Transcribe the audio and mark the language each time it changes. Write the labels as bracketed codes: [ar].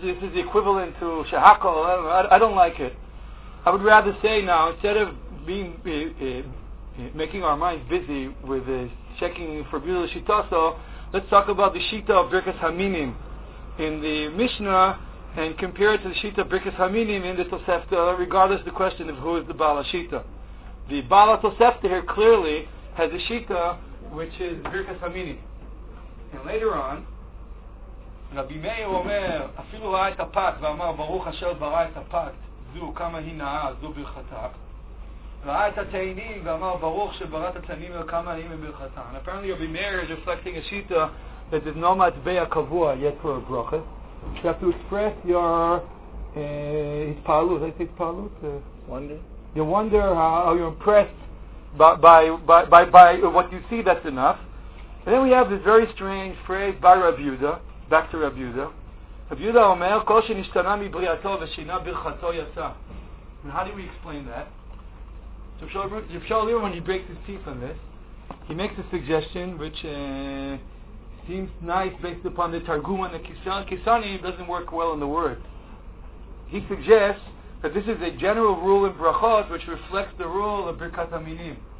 [en] This is the equivalent to shahakol. I don't like it. I would rather say now, instead of being making our minds busy with checking for beautiful shita, so let's talk about the shita of Birkas Haminim in the Mishnah and compare it to the shita of Birkas Haminim in the Tosefta, regardless of the question of who is the Bala Shita. The Bala Tosefta here clearly has a shita which is Birkas Haminim. And later on, [he] Rabbi Meir אומר, אפילו ראה את הפת ואמר, ברוך אשר ברא את הפת, זו כמה היא נאה, זו ברכתה. ראה את התאנים ואמר, ברוך שברא את התאנים וכמה היא מברכתה. [en] And apparently Rabbi Meir is reflecting a shita that is no matbע קבוע yet for a brachet. You have to express your התפעלות, is it התפעלות? Wonder. You wonder how you're impressed by what you see, that's enough. And then we have this very strange phrase by Rabbi Yehuda. Back to Rabbi Yehuda. [he] Rabbi Yehuda Omer, כל שנשתנה מבריאתו ושינה ברכתו יצא. [en] And how do we explain that? So Shaul Lieberman, when he breaks his teeth on this, he makes a suggestion which seems nice based upon the Targum and the Kisani, it doesn't work well in the word. He suggests that this is a general rule in Brachot which reflects the rule of Birkat Haminim.